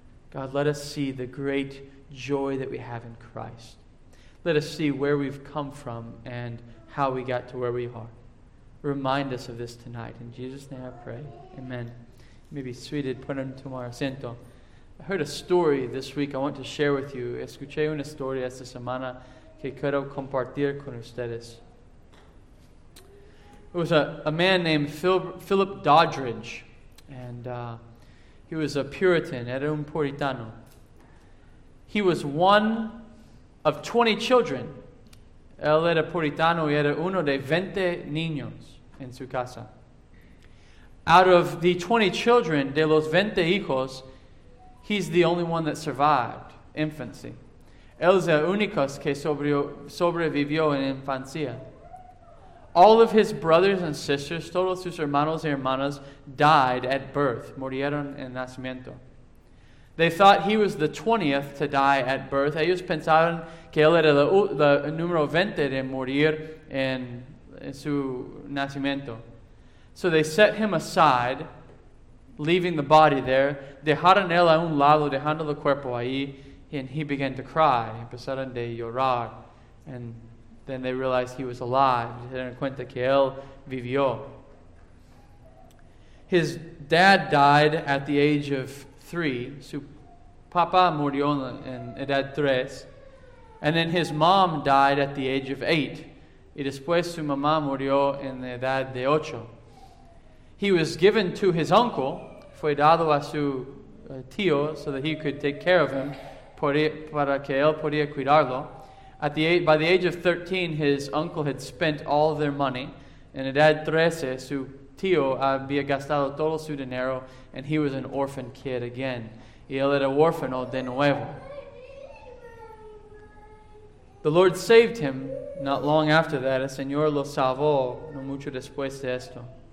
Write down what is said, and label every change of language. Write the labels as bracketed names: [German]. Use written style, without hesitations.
[English] God, let us see the great joy that we have in Christ. Let us see where we've come from and how we got to where we are. Remind us of this tonight. In Jesus' name I pray. Amen. You may be seated. Put on tomorrow. Siento. I heard a story this week I want to share with you. [Spanish] Escuché una historia esta semana que quiero compartir con ustedes. [English] It was a man named Philip Doddridge. And he was a Puritan. [Spanish] Era un puritano. [English] He was one of 20 children. [Spanish] Él era puritano y era uno de 20 niños en su casa. [English] Out of the 20 children, [Spanish] de los 20 hijos, [English] he's the only one that survived infancy. [Spanish] Él es el único que sobrevivió en infancia. [English] All of his brothers and sisters, [Spanish] todos sus hermanos y hermanas, [English] died at birth. [Spanish] Murieron en nacimiento. [English] They thought he was the 20th to die at birth. [Spanish] Ellos pensaron que él era el número 20 de morir en su nacimiento. [English] So they set him aside, leaving the body there. [Spanish] Dejaron él a un lado, dejando el cuerpo ahí, [English] and he began to cry. [Spanish] Empezaron de llorar. [English] And then they realized he was alive. [Spanish] Se dieron cuenta que él vivió. [English] His dad died at the age of 3. [Spanish] Su papá murió en edad 3. [English] And then his mom died at the age of 8. [Spanish] Y después su mamá murió en la edad de 8. [English] He was given to his uncle. [Spanish] Fue dado a su tío [English] so that he could take care of him, [Spanish] para que él podía cuidarlo. [English] By the age of 13, his uncle had spent all of their money [Spanish] En edad 13, su tío había gastado todo su dinero, [English] and he was an orphan kid again. [Spanish] Y él era huérfano de nuevo. [English] The Lord saved him not long after that. [Spanish] El Señor lo salvó no mucho después de esto.